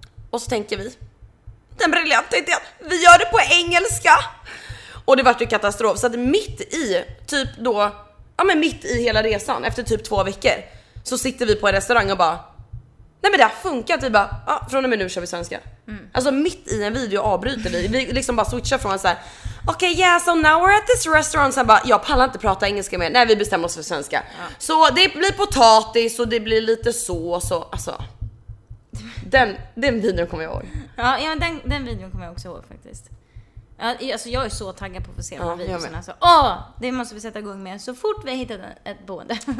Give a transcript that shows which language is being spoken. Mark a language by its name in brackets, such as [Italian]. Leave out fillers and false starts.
[Swedish] Och så tänker vi, den briljanta idén, vi gör det på engelska. Och det vart ju katastrof. Så att mitt i, typ då, ja men mitt i hela resan, efter typ 2 veckor, så sitter vi på en restaurang och bara, nej men det har funkat. Vi bara, ja, från och med nu kör vi svenska. Mm. Alltså mitt i en video avbryter vi. Vi liksom bara switchar från så här. [English] Okej, okay, yeah, so now we're at this restaurant. [Swedish] Så bara, jag pallar inte prata engelska mer. Nej, vi bestämmer oss för svenska. Ja. Så det blir potatis och det blir lite sås och, alltså den videon kommer jag ihåg. Ja, den videon kommer jag också ihåg faktiskt. Ja, alltså jag är så taggad på att få se den videon alltså. Åh, det måste vi sätta igång med så fort vi hittar ett boende.